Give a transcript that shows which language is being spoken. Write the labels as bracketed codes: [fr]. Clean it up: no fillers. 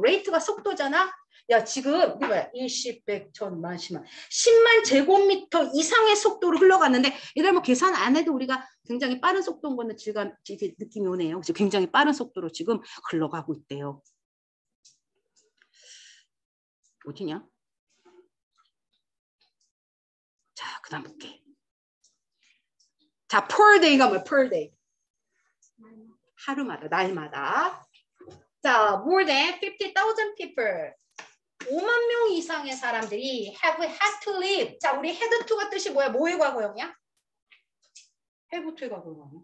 [ko] 레이트가 속도잖아? 야 지금 이게 뭐야? 10, 100, 1000, 10만, 10만 10만 제곱미터 이상의 속도로 흘러갔는데 얘들 뭐 계산 안 해도 우리가 굉장히 빠른 속도인 거는 질감 느낌이 오네요. 그치? 굉장히 빠른 속도로 지금 흘러가고 있대요. 어디냐? 자 그 다음 볼게. 자 per day가 뭐야? [en] per day [ko] 하루마다 날마다 자 [en] more than 50,000 people [ko] 5만 명 이상의 사람들이 [en] have had to live. [ko] 자, 우리 had to가 뜻이 뭐야? 뭐의 과거형이야? have to의 과거형.